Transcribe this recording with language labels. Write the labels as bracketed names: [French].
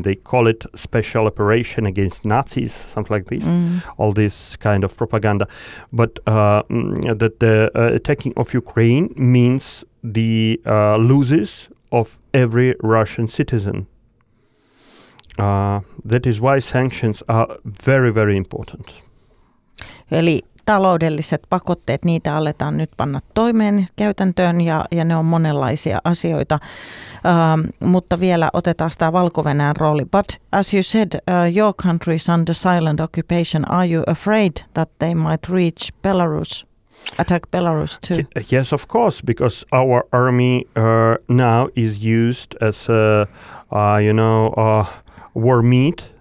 [English] They call it special operation against Nazis, something like this, all this kind of propaganda. But that the attacking of Ukraine means the losses of every Russian citizen. That is why sanctions are very, very important. [Finnish] Eli taloudelliset pakotteet, niitä aletaan nyt panna toimeen käytäntöön ja ne on monenlaisia asioita. Mutta vielä otetaan sitä Valko-Venäjän rooli. [English] But as you said, your country is under silent occupation. Are you afraid that they might reach Belarus, attack Belarus too? Yes, of course, because our army now is used as war meat.